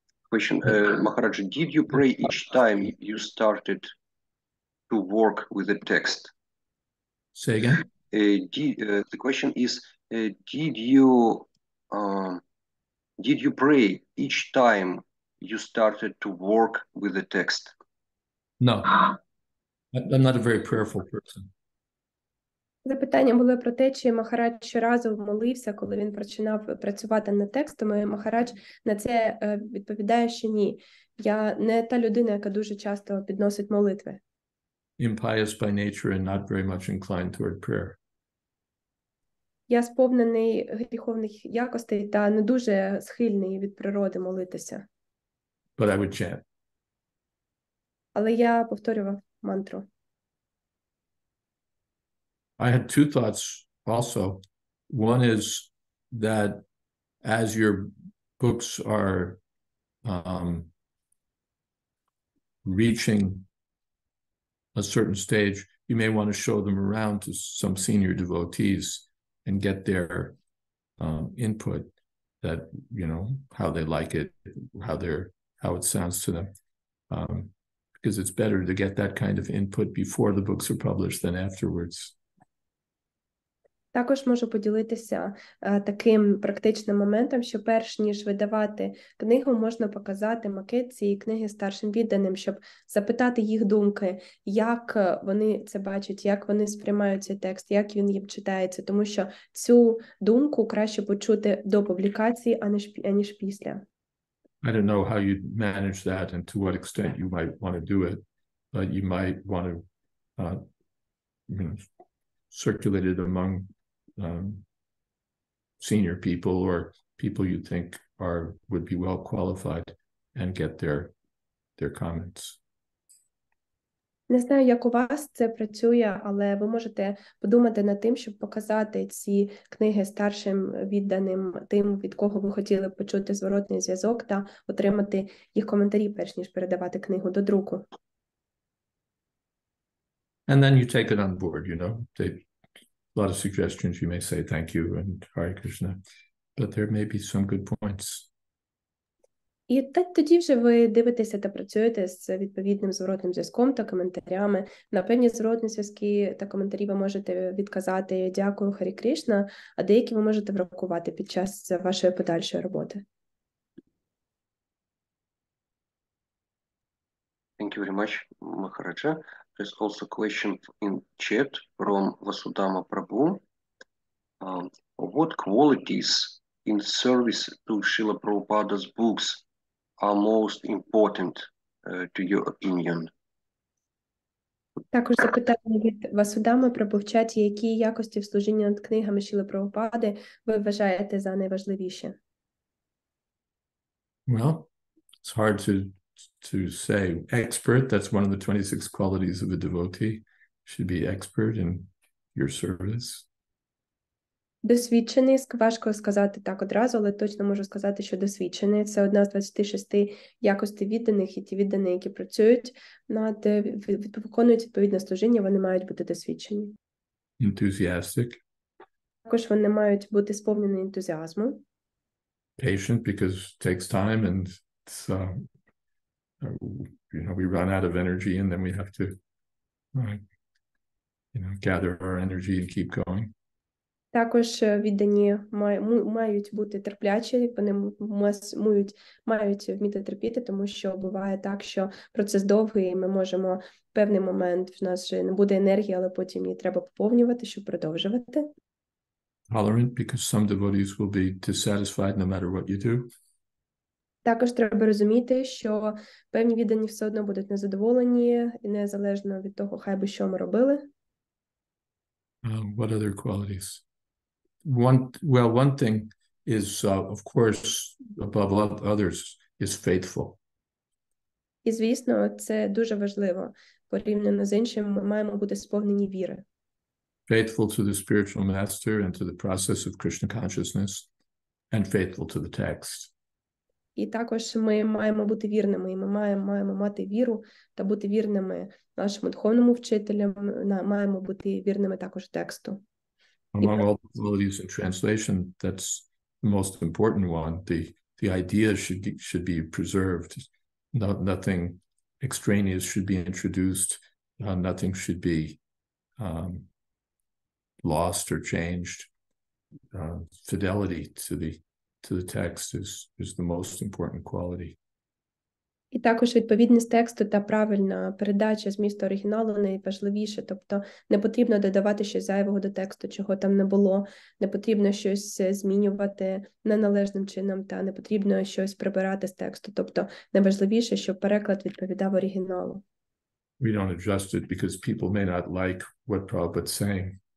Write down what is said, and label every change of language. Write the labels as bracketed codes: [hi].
[en] Question, Maharaja, did you pray each time you started to work with the text? Say again. The question is, did you pray each time you started to work with the text? No. I'm not a very prayerful person. [uk] Запитання було про те, чи Махарадж щоразу молився, коли він починав працювати над текстами. Махарадж на це відповідає, що ні. Я не та людина, яка дуже часто підносить молитви. [en] Impious by nature and not very much inclined toward prayer. [uk] Я сповнений гріховних якостей та не дуже схильний від природи молитися. [en] But I would chant. [uk] Але я повторював мантру. [en] I had two thoughts also. One is that as your books are reaching a certain stage, you may want to show them around to some senior devotees and get their input, that, you know, how they like it, how it sounds to them. Because it's better to get that kind of input before the books are published than afterwards. [uk] Також можу поділитися таким практичним моментом, що перш ніж видавати книгу, можна показати макет цієї книги старшим відданим, щоб запитати їх думки, як вони це бачать, як вони сприймають цей текст, як він їм читається, тому що цю думку краще почути до публікації, аніж після. [en] I don't know how you'd manage that and to what extent you might want to do it, but you might want to circulate it among senior people or people you think would be well qualified and get their comments. [uk] Не знаю, як у вас це працює, але ви можете подумати над тим, щоб показати ці книги старшим відданим, тим, від кого ви хотіли почути зворотний зв'язок та отримати їх коментарі, перш ніж передавати книгу до друку. [en] And then you take it on board, you know. A lot of suggestions, you may say thank you and Hare Krishna, but there may be some good points. [uk] І тоді вже ви дивитеся та працюєте з відповідним зворотним зв'язком та коментарями. На певні зворотні зв'язки та коментарі ви можете відказати «Дякую, Харі Кришна», а деякі ви можете врахувати під час вашої подальшої роботи. [en] Thank you very much, Махараджа. There's also a question in chat from Vasudama Prabhu. What qualities in service to Srila Prabhupada's books are most important to your opinion? [uk] Також запитання від Васудами про повчати, які якості в служінні над книгами Шіли Прабхупади ви вважаєте за найважливіші? [en] Well, it's hard to say. Expert, that's one of the 26 qualities of a devotee. Should be expert in your service. [uk] Досвідчений, важко сказати так одразу, але точно можу сказати, що досвідчений. Це одна з 26 якостей відданих, і ті віддані, які працюють над виконують відповідне служіння, вони мають бути досвідчені. [en] Enthusiastic. [uk] Також вони мають бути сповнені ентузіазму. [en] Patient, because it takes time and it's, you know, we run out of energy and then we have to gather our energy and keep going. [uk] Також віддані мають бути терплячі, вони мають вміти терпіти, тому що буває так, що процес довгий, і ми можемо в певний момент, в нас вже не буде енергії, але потім її треба поповнювати, щоб продовжувати. [en] tolerant because some devotees will be dissatisfied no matter what you do. [uk] Також треба розуміти, що певні віддані все одно будуть незадоволені, незалежно від того, хай би що ми робили. [en] What other qualities? One thing is, of course, above all others, is faithful. [uk] І, звісно, це дуже важливо. Порівняно з іншим, ми маємо бути сповнені віри. [en] Faithful to the spiritual master and to the process of Krishna consciousness, and faithful to the text. [uk] І також ми маємо бути вірними, і ми маємо мати віру та бути вірними нашому духовному вчителям, маємо бути вірними також тексту. [en] Among all the qualities in translation, that's the most important one. The idea should be preserved. No, nothing extraneous should be introduced. Nothing should be lost or changed. Fidelity to the text is the most important quality. [uk] І також відповідність тексту та правильна передача змісту оригіналу найважливіше. Тобто не потрібно додавати щось зайвого до тексту, чого там не було. Не потрібно щось змінювати неналежним чином та не потрібно щось прибирати з тексту. Тобто найважливіше, щоб переклад відповідав оригіналу. [en] We don't adjust it because people may not like what Prabhupada's saying.